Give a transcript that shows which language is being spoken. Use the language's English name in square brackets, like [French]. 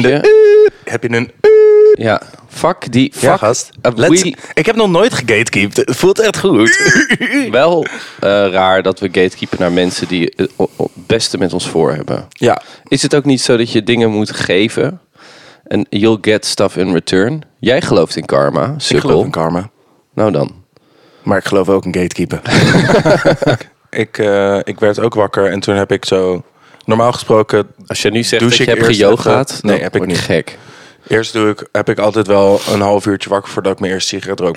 [Dutch] je. Heb je een... Ja, fuck die... Fuck ja, gast. Ik heb nog nooit gegatekeept. Het voelt echt goed. Wel raar dat we gatekeepen naar mensen die het beste met ons voor hebben. Ja. Is het ook niet zo dat je dingen moet geven? En [English] you'll get stuff in return. [Dutch] Jij gelooft in karma, sukkel. Ik geloof in karma. Nou dan. Maar ik geloof ook in gatekeepen. ik werd ook wakker en toen heb ik zo... Normaal gesproken... Als je nu zegt dat je hebt gejogaat, nee, heb ik niet gek. Eerst heb ik altijd wel een half uurtje wakker voordat ik mijn eerste sigaret rook.